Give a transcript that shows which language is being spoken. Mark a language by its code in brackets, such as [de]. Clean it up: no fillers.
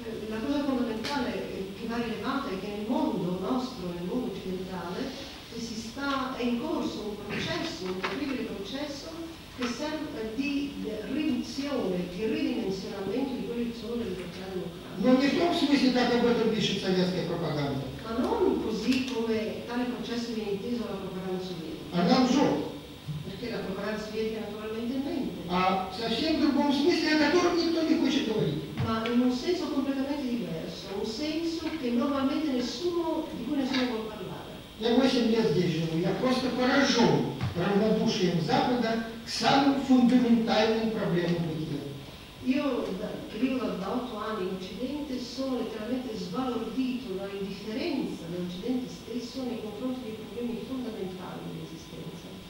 [it] La cosa fondamentale che va rilevata è che nel mondo nostro, nel mondo occidentale, è in corso un processo, un terribile processo di riduzione, di ridimensionamento di quelli che sono le libertà democratiche. Ma non così come tale processo viene inteso dalla propaganda sovietica. Perché la propaganda sovietica naturalmente mente. [ru] A совсем другом смысле, о котором никто не хочет говорить. [it] Ma in un senso completamente diverso, un senso che normalmente nessuno, di cui nessuno vuole parlare. [ru] Я 8 лет здесь живу, я просто поражен равнодушием Запада к самым фундаментальным проблемам бытия. [it] Io, che vivo da 8 anni in Occidente, sono letteralmente sbalordito dall'indifferenza dell'Occidente stesso nei confronti dei problemi fondamentali dell'esistenza.